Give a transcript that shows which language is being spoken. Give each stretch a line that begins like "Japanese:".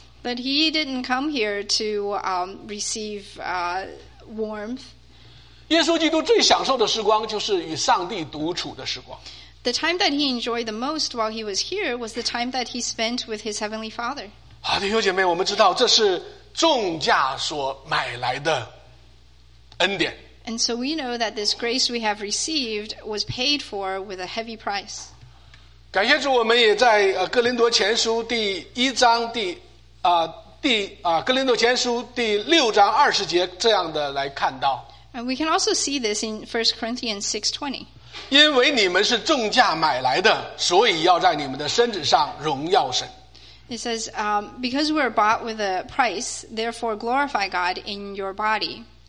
English: That he didn't come here to receive warmth.
Chinese: 耶稣基督最享受的时光就是与上帝独处的时光。
English: The time that he enjoyed the most while he was here was the time that he spent with his heavenly father.
Chinese: 好，弟兄姐妹，我们知道这是重价所买来的恩典。
English: And so we know that this grace we have received was paid for with a heavy price.
Chinese: 感谢主，我们也在哥林多前书第一章第哥林多前书第六章二十节这样的来看到。
English: And we can also see this in 1 Corinthians 6:20.
Chinese: 因为你们是重价买来的，所以要在你们的身子上荣耀神。
English: It says, because we are bought with a price, therefore glorify God in your body.